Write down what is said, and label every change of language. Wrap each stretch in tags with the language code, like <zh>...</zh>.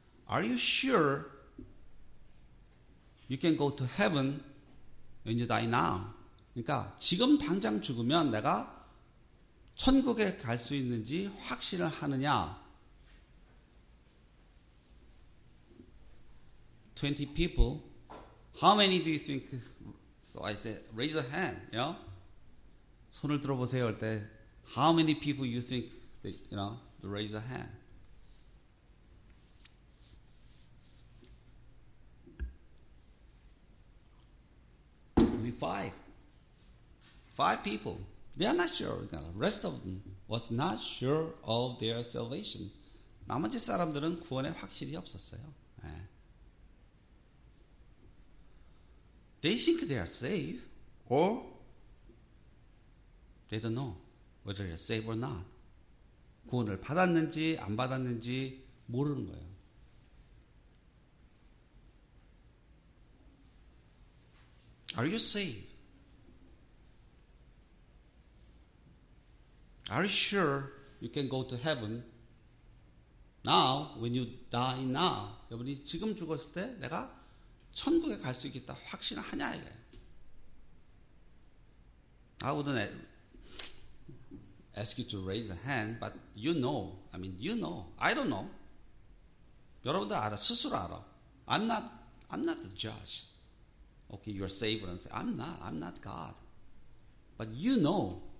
<en>Are you sure you can go to heaven when you die now?</en> <ko>그러니까 지금 당장 죽으면 내가 천국에 갈 수 있는지 확신을 하느냐?</ko> <en>20 people. How many do you think? So I said, raise a hand. You know?</en> <ko>손을 들어보세요 할 때</ko> <en>How many people you think They, you know, to raise a hand. Maybe five. Five people. They are not sure. The rest of them was not sure of their salvation.</en> <ko>나머지 사람들은 구원에 확실히 없었어요. 네.</ko> <en>They think they are saved, or they don't know whether they are saved or not.</en> <ko>구원을 받았는지 안 받았는지 모르는 거예요.</ko> <en>Are you saved? Are you sure you can go to heaven now when you die now?</en> <ko>여러분이 지금 죽었을 때 내가 천국에 갈 수 있겠다 확신을 하냐 이거예요.</ko> <en>I wouldn't ask you to raise a hand, but you know. I mean, you know. I don't know.</en> <ko>여러분들 알아. 스스로 알아.</ko> <en>I'm not the judge. Okay, you're saved. I'm not God. But you know.</en>